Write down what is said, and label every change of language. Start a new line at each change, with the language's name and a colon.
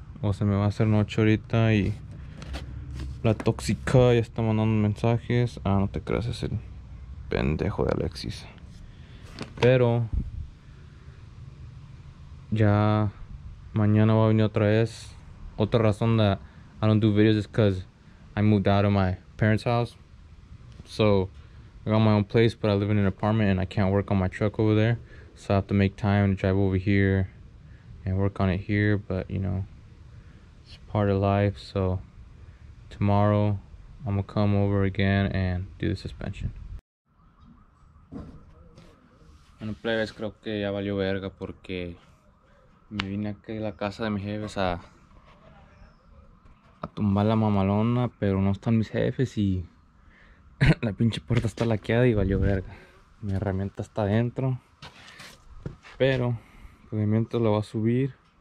Spanish: O se me va a hacer noche ahorita. Y la tóxica ya está mandando mensajes. Ah, no te creas, es el pendejo de Alexis. Pero ya mañana va a venir otra vez. Otra razón de
English: I don't do videos is because I moved out of my parents' house. So I got my own place, but I live in an apartment and I can't work on my truck over there. So I have to make time to drive over here and work on it here. But, you know, it's part of life. So tomorrow I'm gonna come over again and do the suspension.
Spanish: Bueno, plebes, creo que ya valió verga porque me vine aquí a la casa de mis jefes a tumbar la mamalona, pero no están mis jefes y la pinche puerta está laqueada y valió verga. Mi herramienta está adentro. Pero, pues mientras la voy a subir.